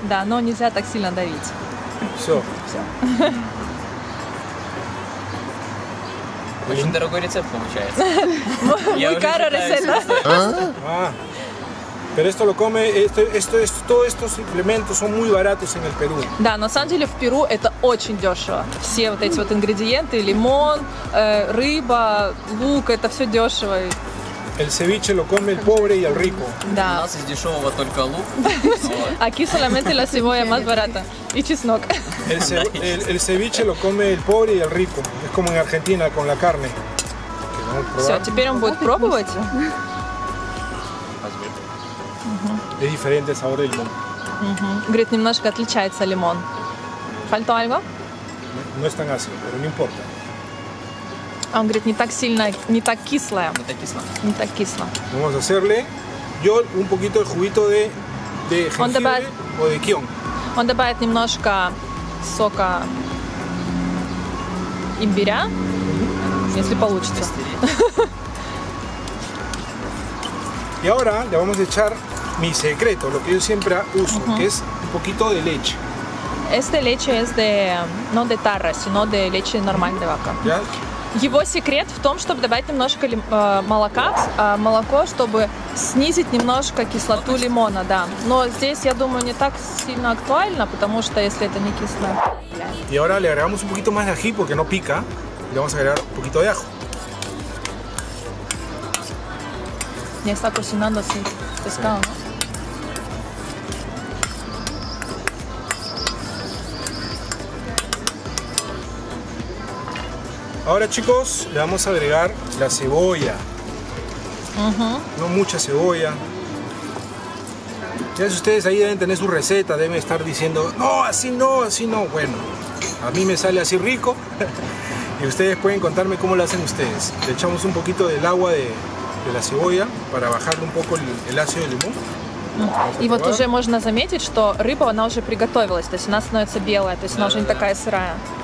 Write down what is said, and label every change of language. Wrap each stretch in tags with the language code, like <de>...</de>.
<ru>Да, но нельзя так сильно давить. Все. Очень дорогой рецепт получается.</ru> <es>Muy caro receta. Pero esto lo come, todos estos implementos son muy baratos en el Perú.</es> <ru>Да, на самом деле в Перу это очень дешево. Все вот эти вот ингредиенты, лимон, рыба, лук, это все дешево.</ru> <es>El ceviche lo come el pobre y el rico.</es> <ru>Да. У нас из дешевого только лук.</ru> <es>Aquí solamente la cebolla más barata. Y чеснок. El ceviche lo come el pobre y el rico. Es como en Argentina con la carne.</es> <ru>Все, теперь он будет пробовать.</ru> <es>Es diferente el sabor del limón.</es> <ru>Говорит, немножко отличается лимон.</ru> <es>Faltó algo? No es tan ácido, pero no importa.</es> <ru>А он говорит, не так сильно, не так кислое. Не так кисло. Не так кисло.</ru> <es>Vamos a hacerle yo un poquito de juguito de jengibre o de kion.</es> <ru>Он добавит немножко сока имбиря, если получится.</ru> <es>Y ahora le vamos a echar mi secreto, lo que yo siempre uso, que es un poquito de leche. Esta leche es de, no de tarra, sino de leche normal de vaca. ¿Ya?</es> <ru>Его секрет в том, чтобы добавить немножко молока, молоко, чтобы снизить немножко кислоту лимона, да. Но здесь, я думаю, не так сильно актуально, потому что если это не кисло.</ru> <es>Y ahora le agregamos un poquito más de ají, porque no pica, y le vamos a agregar un poquito de ajo. Ya está cocinando así, pescado, ¿no? Ahora, chicos, le vamos a agregar la cebolla. No mucha cebolla. Ya si ustedes ahí deben tener su receta, deben estar diciendo, no, así no, así no. Bueno, a mí me sale así rico. Y ustedes pueden contarme cómo lo hacen ustedes. Le echamos un poquito del agua de la cebolla para bajar un poco el ácido del limón.</es> <ru>Y вот уже можно заметить, что рыба она уже приготовилась, то есть она становится белая, то есть она уже не такая сырая.</ru>